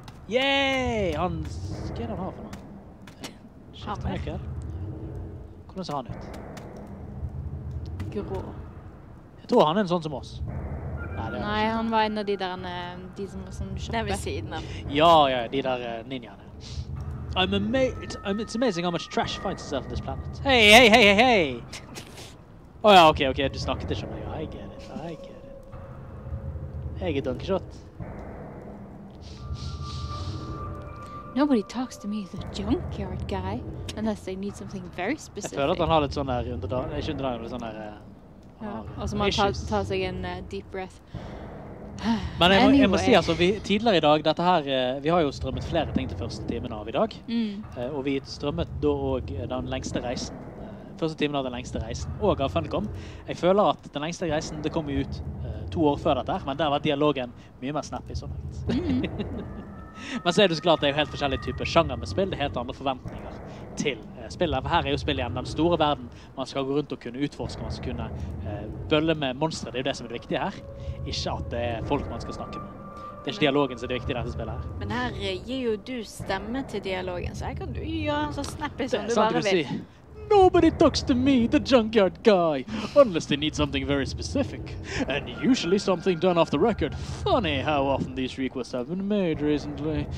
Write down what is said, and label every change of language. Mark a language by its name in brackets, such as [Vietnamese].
[Norwegian] Yay! Hva er det han har for noe? Skjønt han ikke. Hvordan ser han ut? Grå. Jeg tror han er en sånn som oss. Nei, han var en av de der de som er sånn kjøpte. Det er ved siden av. Ja, ja, de der ninjaene. [English] It's amazing how much trash finds itself on this planet. [Norwegian] Hei, hei, hei, hei, hei! Oh, ja, ok, du snakket ikke om meg. [English] I get it, I get it. [Norwegian] Jeg er Donkey Shot. [English] Nobody talks to me as a junkyard guy, unless they need something very specific. [Norwegian] Jeg føler at han har litt sånn der underdagen, ikke underdagen, men sånn der... Ja, og så må han ta seg en [English] deep breath. [Norwegian] Men jeg må si, altså, tidligere i dag, dette her, vi har jo strømmet flere ting til første timen av i dag. Og vi strømmet da også den lengste reisen. Første timen av den lengste reisen, og av Funcom. Jeg føler at den lengste reisen, det kom jo ut 2 år før dette her, men der var dialogen mye mer snappy, sånn at... Men så er det så klart at det er jo helt forskjellige typer sjanger med spill. Det er helt andre forventninger til spillet. For her er jo spillet igjen den store verden. Man skal gå rundt og kunne utforske, man skal kunne bølle med monster. Det er jo det som er det viktige her. Ikke at det er folk man skal snakke med. Det er ikke dialogen som er det viktige i dette spillet her. Men her gir jo du stemme til dialogen, så her kan du gjøre en så snappy som du bare vil. Si. [English] Nobody talks to me, the junkyard guy, unless they need something very specific. And usually something done off the record. Funny how often these requests have been made recently.